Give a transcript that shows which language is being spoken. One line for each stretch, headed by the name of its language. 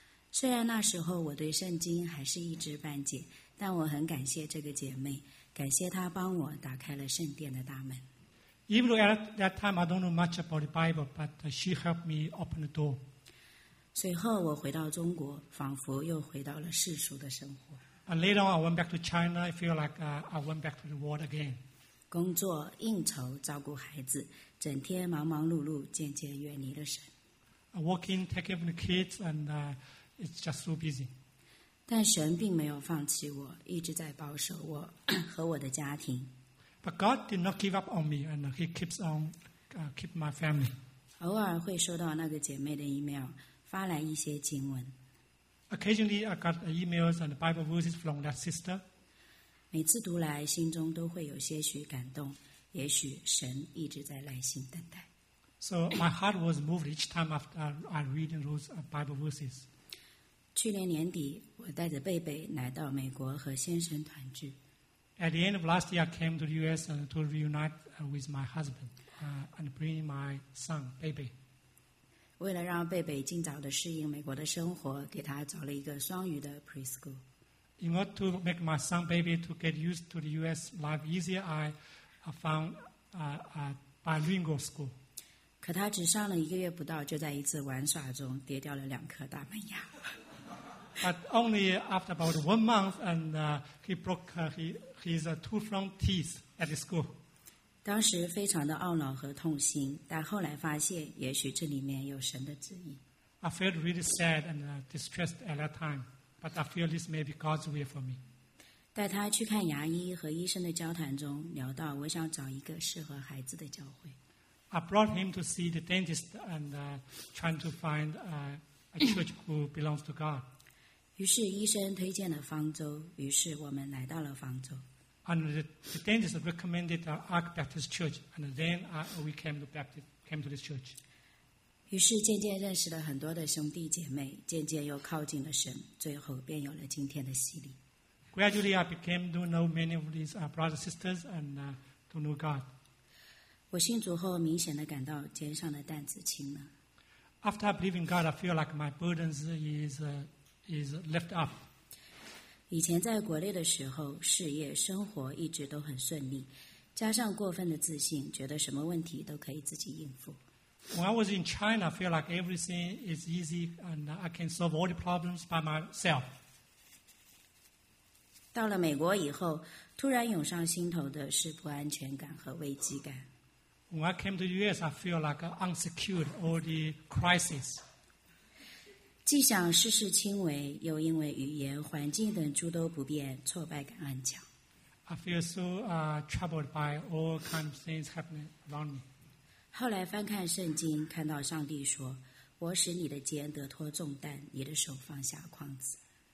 Chinese: 虽然那时候我对圣经还是一知半解，但我很感谢这个姐妹，感谢她帮我打开了圣殿的大门。
English: Even though at that time I don't know much about the Bible, but she helped me open the door.
Chinese: 随后我回到中国，仿佛又回到了世俗的生活。
English: And later on, I went back to China. I feel like I went back to the world again.
Chinese: 工作、应酬、照顾孩子，整天忙忙碌碌，渐渐远离了神。
English: Working, taking care of the kids, and it's just so busy.
Chinese: 但神并没有放弃我，一直在保守我和我的家庭。
English: But God did not give up on me, and He keeps on keep my family.
Chinese: 偶尔会收到那个姐妹的 email， 发来一些经文。
English: Occasionally, I got emails and Bible verses from that sister.
Chinese: 每次读来，心中都会有些许感动。也许神一直在耐心等待。
English: So my heart was moved each time after I read those Bible verses.
Chinese: 去年年底，我带着贝贝来到美国和先生团聚。
English: At the end of last year, I came to the U.S. to reunite with my husband and bring my son, Bebe.
Chinese: 为了让贝贝尽早的适应美国的生活，给他找了一个双语的 preschool.
English: In order to make my son, Bebe, to get used to the U.S. life easier, I found a bilingual school.
Chinese: 可他只上了一个月不到，就在一次玩耍中跌掉了两颗大门牙。
English: But only after about 1 month, and he broke his two front teeth at the school.
Chinese: 当时非常的懊恼和痛心，但后来发现，也许这里面有神的旨意。
English: I felt really sad and distressed at that time, but I feel this may be God's will for me.
Chinese: 带他去看牙医和医生的交谈中，聊到我想找一个适合孩子的教会。
English: I brought him to see the dentist and trying to find a church who belongs to God.
Chinese: 于是医生推荐了方舟，于是我们来到了方舟。
English: And the dentist recommended the Ark Baptist Church, and then we came to this church.
Chinese: 于是渐渐认识了很多的兄弟姐妹，渐渐又靠近了神，最后便有了今天的洗礼。
English: Gradually, I became to know many of these brothers and sisters, and to know God.
Chinese: 我信主后，明显的感到肩上的担子轻了。
English: After I believe in God, I feel like my burdens is is lift up.
Chinese: 以前在国内的时候，事业、生活一直都很顺利，加上过分的自信，觉得什么问题都可以自己应付。
English: When I was in China, I feel like everything is easy and I can solve all the problems by myself.
Chinese: 到了美国以后，突然涌上心头的是不安全感和危机感。
English: When I came to the US, I feel like I unsecured all the crises.
Chinese: 既想事事亲为，又因为语言、环境等诸多不便，挫败感暗强。
English: I feel so troubled by all kinds of things happening around me.
Chinese: 后来翻看圣经，看到上帝说：“我使你的肩得脱重担，你的手放下筐子。”